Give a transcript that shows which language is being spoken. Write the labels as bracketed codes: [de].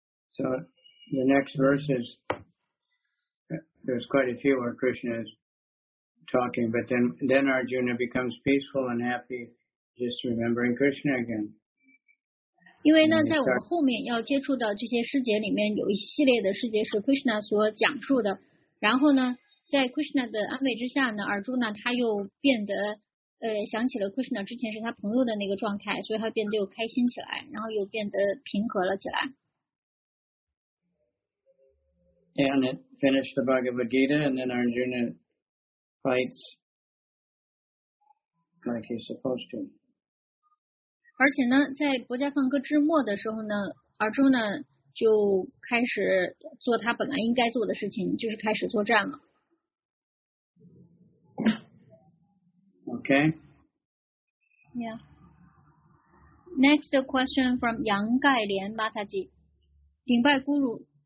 [en] So the next verse is, there's quite a few where Krishna is talking, but then Arjuna becomes peaceful and happy just remembering Krishna again. [zh] 因为呢，在我们后面要接触的这些师节里面，有一系列的师节是 Krishna 所讲述的。然后呢，在 Krishna 的安慰之下呢，Arjuna他又变得想起了 Krishna 之前是他朋友的那个状态，所以他变得又开心起来，然后又变得平和了起来。 [en] And it finished the Bhagavad Gita, and then Arjuna fights like he's supposed to. [zh] 而且呢，在《博伽梵歌》之末的时候呢，Arjuna就开始做他本来应该做的事情，就是开始作战了。 [en] Okay. Yeah. Next question from Yang Gai Lian Mataji. [zh] 顶拜咕噜。